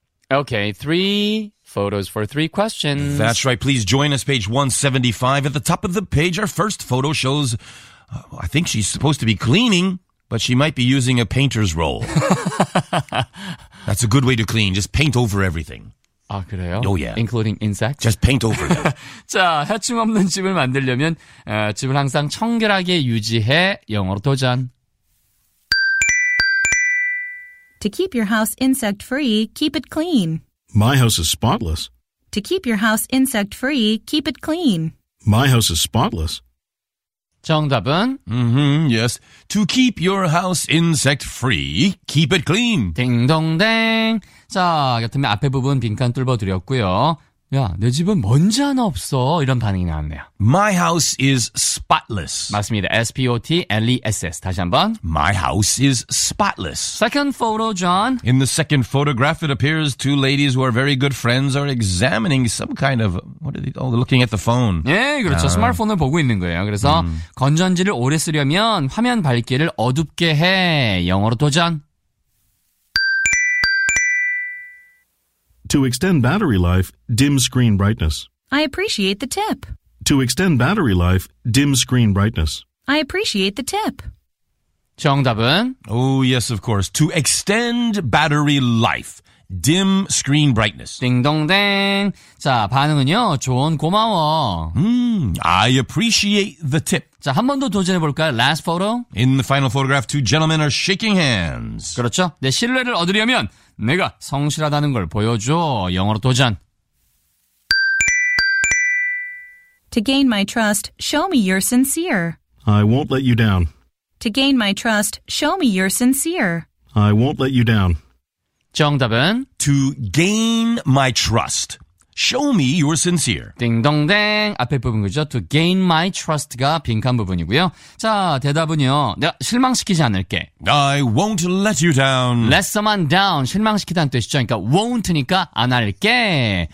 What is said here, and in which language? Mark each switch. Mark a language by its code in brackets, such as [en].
[en] Okay, three photos for three questions. That's right. Please join us, page 175. At the top of the page, our first photo shows, I think she's supposed to be cleaning, but she might be using a painter's roll. That's a good way to clean. Just paint over everything. [ko] 아, 그래요? [en] Oh, yeah. Including insects? Just paint over them. [ko] 자, 해충 없는 집을 만들려면 집을 항상 청결하게 유지해 영어로 도전. [en] To keep your house insect-free, keep it clean. My house is spotless. To keep your house insect-free, keep it clean. My house is spotless. [ko] 정답은? [en] Mm-hmm, yes. To keep your house insect-free, keep it clean. [ko] 딩동댕. 자, 여튼 앞에 부분 빈칸 뚫어드렸고요. 야, 내 집은 먼지 하나 없어. 이런 반응이 나왔네요. [en] My house is spotless. [ko] 맞습니다. S-P-O-T-L-E-S-S. 다시 한번. [en] My house is spotless. Second photo, John. In the second photograph, it appears two ladies who are very good friends are examining some kind of... What are they... Oh, they're looking at the phone. [ko] 예, 그렇죠. 스마트폰을 보고 있는 거예요. 그래서 건전지를 오래 쓰려면 화면 밝기를 어둡게 해. 영어로 도전. [en] To extend battery life, dim screen brightness. I appreciate the tip. To extend battery life, dim screen brightness. I appreciate the tip. [ko] 정답은? [en] Oh, yes, of course. To extend battery life, dim screen brightness. [ko] 딩동댕. 자, 반응은요? 조언 고마워. [en] I appreciate the tip. [ko] 자, 한 번 더 도전해 볼까요? [en] Last photo. In the final photograph, two gentlemen are shaking hands. [ko] 그렇죠. 내 신뢰를 얻으려면 내가 성실하다는 걸 보여줘. 영어로 도전. [en] To gain my trust, show me you're sincere. I won't let you down. To gain my trust, show me you're sincere. I won't let you down. [ko] 정답은? [en] To gain my trust, show me you're sincere. [ko] 딩동댕. 앞에 부분 그죠? [en] To gain my trust가 [ko] 빈칸 부분이고요. 자, 대답은요. 내가 실망시키지 않을게. [en] I won't let you down. Let someone down. [ko] 실망시키다는 뜻이죠. 그러니까 won't니까 안 할게.